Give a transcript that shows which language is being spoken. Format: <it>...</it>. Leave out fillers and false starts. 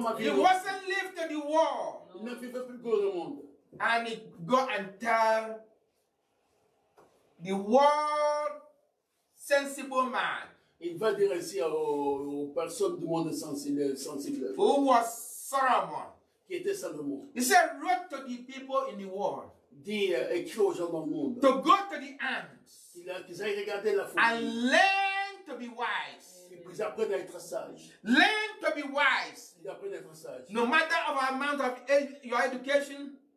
<en>wasn't lived to the world. No. And he go and tell the world sensible man.</en> <fr>Il va dire ainsi aux personnes du monde sensible.</fr> <en>Who was Solomon?</en> <fr>Qui était Salomon?</fr> <en>He said, "Wrote to the people in the world."</en> <fr>Écrit aux gens dans le monde.</fr> <en>To go to the ants.</en> <fr>Qu'ils aient regardé la</fr> <en>foule. And learn to be wise.</en> <fr>Et puis apprennent à être sage.</fr> <en>Learn to be wise.</en> <fr>Ils apprennent à être sage.</fr> <en>No matter of amount of your education.</en>